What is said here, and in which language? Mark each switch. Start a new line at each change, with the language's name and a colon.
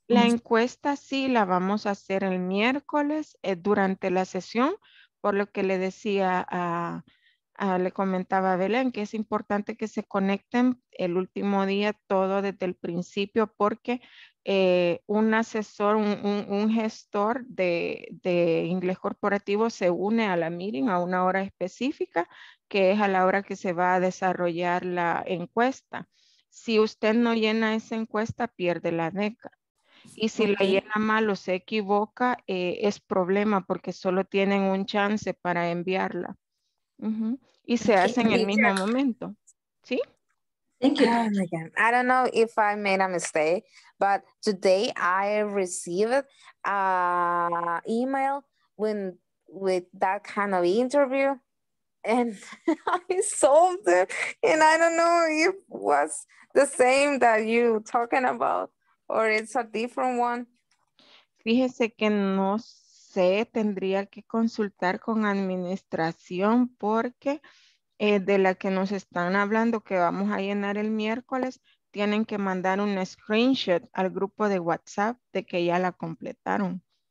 Spanish: La encuesta sí la vamos a hacer el miércoles durante la sesión, por lo que le decía le comentaba a Belén que es importante que se conecten el último día todo desde el principio, porque un asesor, un gestor de inglés corporativo se une a la meeting a una hora específica, que es a la hora que se va a desarrollar la encuesta. Si usted no llena esa encuesta, pierde la beca. Y si la llena mal o se equivoca, es problema porque solo tienen un chance para enviarla. Uh-huh. Y se hace en el mismo momento. ¿Sí?
English: Thank you. I don't know if I made a mistake, but today I received an email with that kind of interview, and I solved it, and I don't know if it was the same that you talking about, or it's a different one.
Spanish: Fíjese que no sé, tendría que consultar con administración porque... de la que nos están hablando que vamos a llenar el miércoles, tienen que mandar un screenshot al grupo de WhatsApp de que ya la completaron.